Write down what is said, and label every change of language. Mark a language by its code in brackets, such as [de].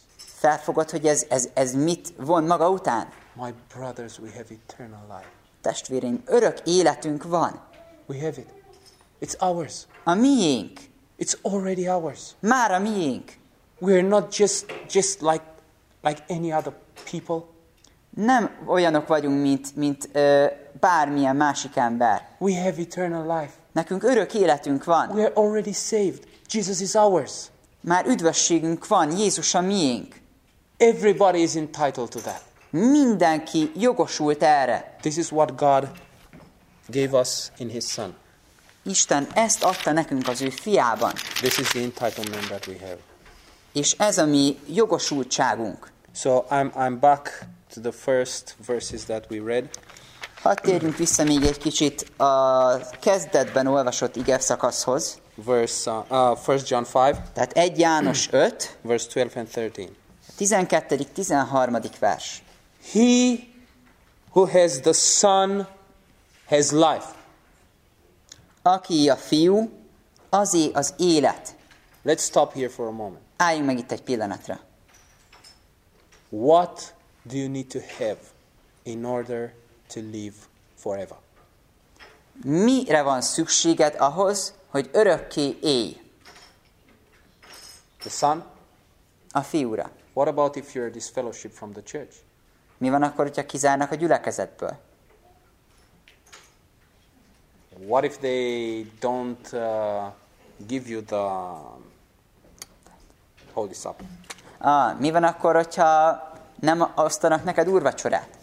[hu] Felfogod, hogy ez mit von maga után? [en] My brothers, we have eternal life. [hu] Testvéreim, örök életünk van. [en] We have it. It's ours. [hu] A miénk. [en] It's already ours. [hu] Már a miénk. [en] We're not just like any other people. [hu] Nem olyanok vagyunk, mint bármilyen másik ember. [en] We have eternal life. [hu] Nekünk örök életünk van. [en] We're already saved. Jesus is ours. [hu] Már üdvösségünk van. Jézus a miénk. [en] Everybody is entitled to that. [hu] Mindenki jogosult erre. [en] This is what God gave us in his son. [hu] Isten ezt adta nekünk az ő fiában. [en] This is the entitlement that we have. [hu] És ez a mi jogosultságunk. [en] So I'm back to the first verses that we read. [hu] Hadd térjünk vissza még egy kicsit a kezdetben olvasott ige szakaszhoz. [en] First John 5. [hu] Tehát 1 János 5. [en] Verse 12 and 13. [hu] 12. 13. vers. [en] He who has the Son has life. [hu] Aki a fiú, azé az élet. [en] Let's stop here for a moment. [hu] Álljunk meg itt egy pillanatra. [en] What do you need to have in order to live forever? [hu] Mire van szükséged ahhoz, hogy örökké élj? [en] The Son? [hu] A fiúra. [en] What about if you're disfellowshipped from the church? [hu] Mi van akkor, hogyha kizárnak a gyülekezetből? [en] What if they don't give you the Holy Supper? [hu] Mi van akkor, hogyha nem osztanak neked úrvacsorát?